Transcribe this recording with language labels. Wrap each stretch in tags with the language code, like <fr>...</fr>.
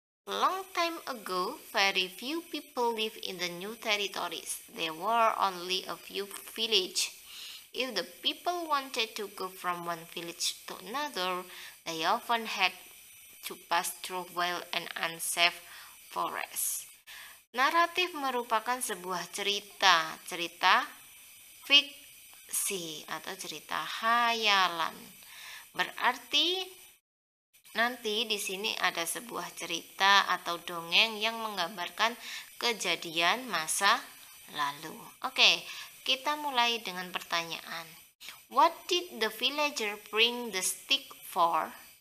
<en>Long time ago, very few people lived in the new territories. There were only a few villages. If the people wanted to go from one village to another, they often had to pass through wild and unsafe forests.</en> <id>Naratif merupakan sebuah cerita, cerita fiksi atau cerita khayalan. Berarti nanti di sini ada sebuah cerita atau dongeng yang menggambarkan kejadian masa lalu. Oke, kita mulai dengan pertanyaan.</id> <en>What did the villager bring the stick for?</en>